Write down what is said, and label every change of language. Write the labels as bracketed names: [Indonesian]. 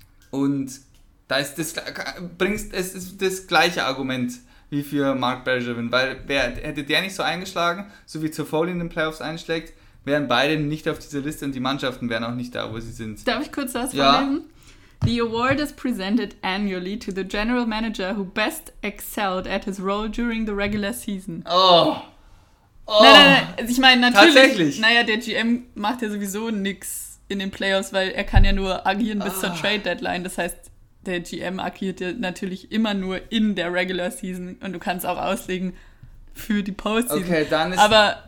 [German] Und da ist das gleiche Argument wie für Mark Bergevin. Weil hätte der nicht so eingeschlagen, so wie Toffoli in den Playoffs einschlägt, wären beide nicht auf dieser Liste und die Mannschaften wären auch nicht da, wo sie sind. Darf ich kurz was vornehmen? [English] The award is presented annually to the general manager who best excelled at his role during the regular season. Oh! [German] Nein. Ich meine, natürlich. Tatsächlich. Naja, der GM macht ja sowieso nichts in den Playoffs, weil er kann ja nur agieren bis zur Trade-Deadline. Das heißt, der GM agiert ja natürlich immer nur in der regular season und du kannst auch auslegen für die Postseason. Okay, dann ist... Aber,